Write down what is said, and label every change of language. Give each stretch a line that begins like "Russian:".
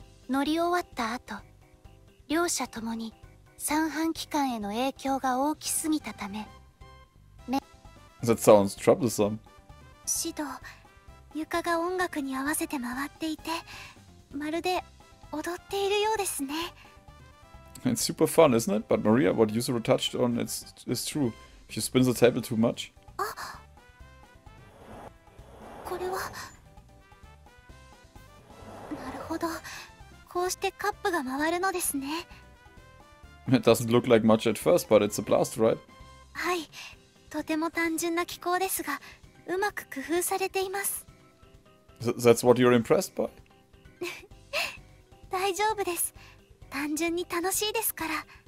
Japanese: 乗り終わった後、両者ともに三半規管への影響が大きすぎたため。
English: That sounds troublesome.
Japanese: 指導、床が音楽に合わせて回っていて、まるで踊っているようですね。
English: It's super fun, isn't it? But Maria, what Yuzuru touched on is true. If you spin the table too much.
Japanese: これは…なるほど。こうしてカップが回るのですね。
English: It doesn't look like much at first, but it's a blast, right?
Japanese: はい。とても単純な機構ですが、うまく工夫されています。
English: That's what you're impressed by?
Japanese: 大丈夫です。単純に楽しいですから。